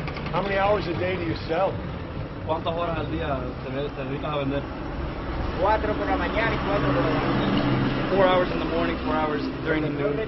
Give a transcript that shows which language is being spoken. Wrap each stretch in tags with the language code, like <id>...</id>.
<en>How many hours a day do you sell?</en> <es>¿Cuántas horas al día te dedicas a vender? 4 por la mañana y 4 por la tarde.</es> <en>4 hours in the morning, 4 hours during the noon.</en>